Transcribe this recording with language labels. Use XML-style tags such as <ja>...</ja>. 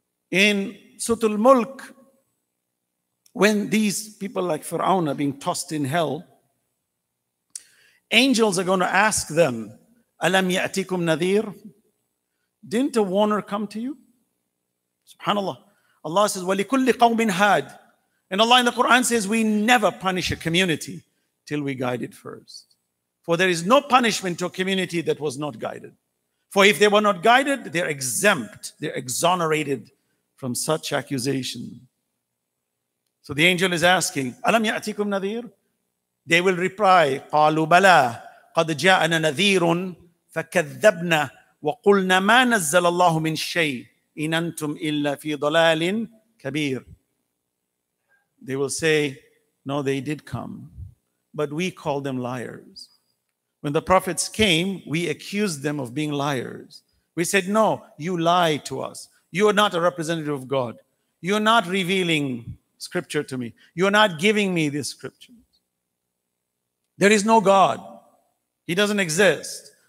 <en>In Sutul Mulk, when these people like Fir'aun are being tossed in hell, angels are going to ask them,</en> <ar>أَلَمْ يَأْتِكُمْ نَذِيرٌ.</ar> <en>Didn't a warner come to you? SubhanAllah. Allah says,</en> <ar>وَلِكُلِّ قَوْمٍ هَادٍ.</ar> <en>And Allah in the Quran says, we never punish a community till we guide it first. For there is no punishment to a community that was not guided. For if they were not guided, they're exempt. They're exonerated from such accusation. So the angel is asking,</en> <ar>أَلَمْ يَأْتِكُمْ نَذِيرٌ.</ar> <en>They will reply,</en> <ar>قَالُوا بَلَى قَدْ جَاءَنَا نَذِيرٌ فَكَذَّبْنَا وَقُلْنَا مَا نَزَّلَ اللَّهُ مِنْ شَيْءٍ إِنْ أَنْتُمْ إِلَّا فِي ضَلَالٍ كَبِيرٍ.</ar> <en>They will say, no, they did come, but we call them liars. When the prophets came, we accused them of being liars. We said, no, you lie to us. You are not a representative of God. You are not revealing scripture to me. You are not giving me this scripture. There is no God. He doesn't exist.</en>